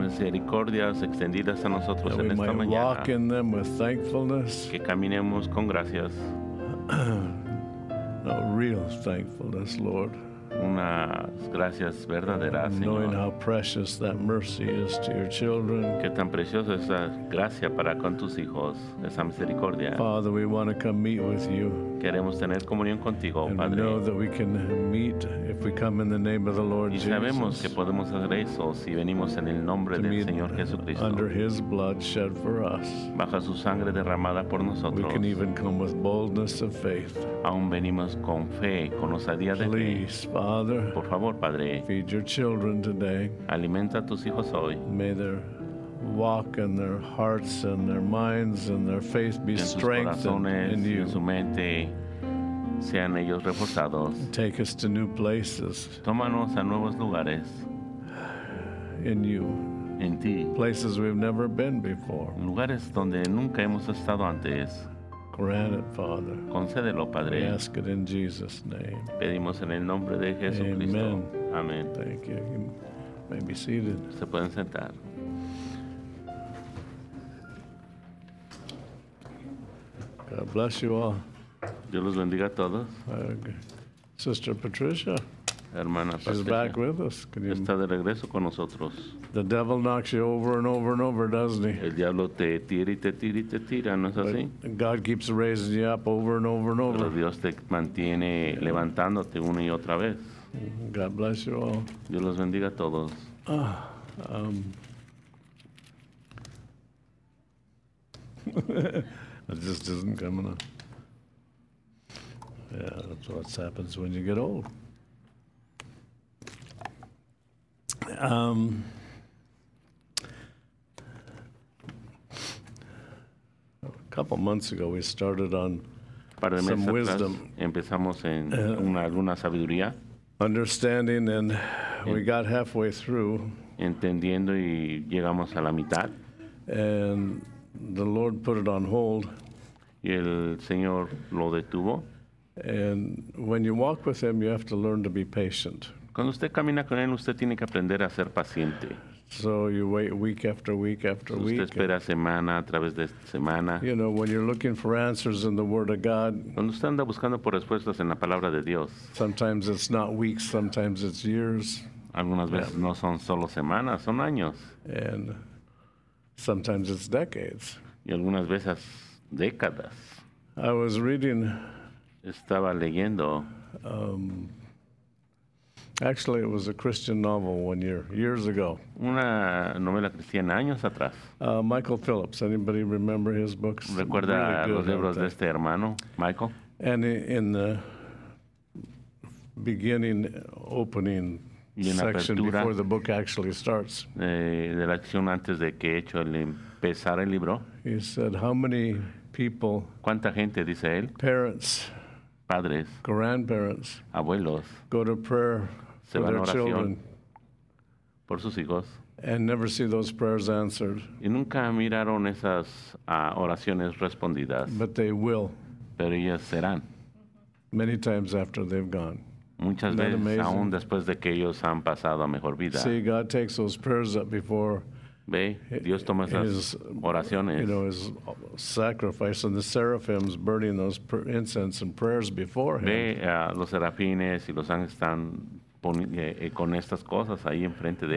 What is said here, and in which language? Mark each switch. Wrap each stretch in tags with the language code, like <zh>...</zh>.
<es>Tus misericordias extendidas a nosotros</es> <en>that</en> <es>en</es> <en>we</en> <es>esta</es> <en>might</en> <es>mañana.</es> <en>Walk in them with thankfulness.</en> <es>Que caminemos con gracias.</es> <en>No, real thankfulness, Lord.</en> <es>Unas gracias verdaderas, Señor.</es> <en>Knowing how precious that mercy is to your children.</en> <es>Qué tan preciosa es esa gracia para con tus hijos, esa misericordia.</es> <en>Father, we want to come meet with you.</en> <es>Queremos tener comunión contigo,</es> <en>and</en> <es>Padre.</es> <en>We know that we can meet if we come in the name of the Lord Jesus.</en> <es>Y sabemos que podemos hacer eso si venimos en el nombre del Señor Jesucristo.</es> <en>Under his blood shed for us.</en> <es>Bajo su sangre derramada por nosotros.</es> <en>We can even come with boldness of faith.</en> <es>Aún venimos con fe, con osadía de fe.</es> <en>Father,</en> <es>por favor, Padre,</es> <en>feed your children today.</en> <es>Alimenta a tus hijos hoy.</es> <en>May their walk and their hearts and their minds and their faith be strengthened in you.</en> <es>En su mente sean ellos reforzados.</es> <en>Take us to new places.</en> <es>Tómanos a nuevos lugares.</es> <en>In you.</en> <es>En ti.</es> <en>Places we've never been before.</en> <es>Lugares donde nunca hemos estado antes.</es> <en>Grant it, Father.</en> <es>Concédelo, Padre.</es> <en>We ask it in Jesus' name.</en> <es>Pedimos en el nombre de Jesucristo.</es> <en>Amen.</en> <es>Amen.</es> <en>Thank you. You may be seated.</en> <es>Se pueden sentar.</es> <en>God bless you all.</en> <es>Dios los bendiga a todos.</es> <en>Sister Patricia.</en> <es>Hermana</es> <en>Patricia. She's back with us. Can you...</en> <es>Está de regreso con nosotros.</es> <en>The devil knocks you over and over and over, doesn't he?</en> <es>El diablo te tira y te tira y te tira, ¿no es así?</es> <en>God keeps raising you up over and over and over.</en> <es>Pero Dios te mantiene levantándote una y otra vez.</es> <en>God bless you all.</en> <es>Dios los bendiga a todos.</es> <en>It just isn't coming up. Yeah, that's what happens when you get old. A couple months ago, we started on some wisdom.</en> <es>Empezamos en alguna sabiduría.</es> <en>Understanding, and we got halfway through.</en> <es>Entendiendo y llegamos a la mitad.</es> <en>And the Lord put it on hold.</en> <es>Y el Señor lo detuvo.</es> <en>And when you walk with Him, you have to learn to be patient.</en> <es>Cuando usted camina con él, usted tiene que aprender a ser paciente.</es> <en>So you wait week after week after week.</en> <es>Usted espera semana a través de semana.</es> <en>You know, when you're looking for answers in the Word of God.</en> <es>Cuando usted anda buscando por respuestas en la palabra de Dios.</es> <en>Sometimes it's not weeks, sometimes it's years.</en> <es>Algunas veces no son solo semanas, son años.</es> <en>And sometimes it's decades.</en> <es>Y algunas veces décadas.</es> <en>I was reading.</en> <es>Estaba leyendo.</es> <en>Actually, it was a Christian novel one year, years ago.</en> <es>Una novela cristiana años atrás.</es> <en>Michael Phillips. Anybody remember his books?</en> <es>¿Recuerda los libros de este hermano, Michael?</es> <en>And in the beginning, opening section before the book actually starts.</en> <es>De la acción antes de que hecho el empezar el libro.</es> <en>He said, "How many people?"</en> <es>¿Cuánta gente dice él?</es> <en>Parents.</en> <es>Padres,</es> <en>grandparents,</en> <es>abuelos,</es> <en>go to prayer</en> <es>se</es> <en>for</en> <es>van</es> <en>their children</en> <es>por sus hijos,</es> <en>and never see those prayers answered.</en> <es>Y nunca miraron esas oraciones respondidas.</es> <en>But they will.</en> <es>Pero ellas serán.</es> <en>Many times after they've gone.</en> <es>Muchas veces,</es> <en>amazing?</en> <es>Aún después de que ellos han pasado a mejor vida.</es> <en>See, God takes those prayers up before.</en> <es>Ve, Dios toma esas his, oraciones.</es> <en>You know, his sacrifice and the seraphims burning those incense and prayers before him.</en> <es>Ve, los serafines y los ángeles están con estas cosas ahí enfrente de</es>